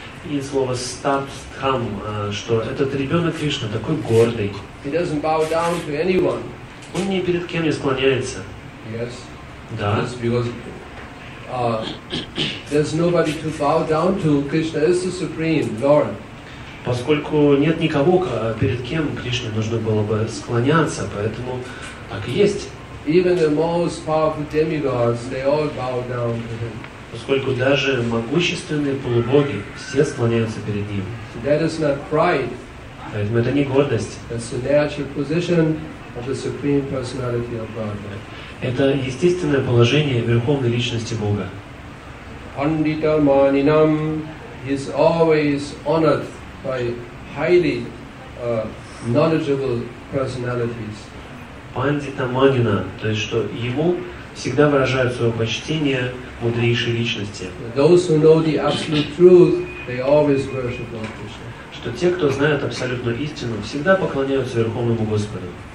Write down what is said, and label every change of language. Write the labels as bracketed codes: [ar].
[ru] И слово stuttham, что этот ребенок Кришна такой гордый. [en] He doesn't bow down to anyone. [ru] Он ни перед кем не склоняется. [en] Yes. [ru] Да. [en] Yes, because there's nobody to bow down to. Krishna is the supreme Lord. [ru] Поскольку нет никого, перед кем Кришне нужно было бы склоняться, поэтому так и есть. [en] Even the most powerful demigods, they all bow down to him. [ru] Поскольку даже могущественные полубоги все склоняются перед ним. [en] That is not pride. [ru] Поэтому это не гордость. [en] That's the natural position of the supreme personality of Godhead. [ru] Это естественное положение Верховной Личности Бога. [en] Pandita Maninam is always honored by highly knowledgeable personalities. [ru] Пандита Манина, то есть что ему всегда выражают свое почтение мудрейшие личности. [en] Those who know the absolute truth, they always worship Lord Krishna. [ru] Что те, кто знают абсолютную истину, всегда поклоняются Верховному Господу.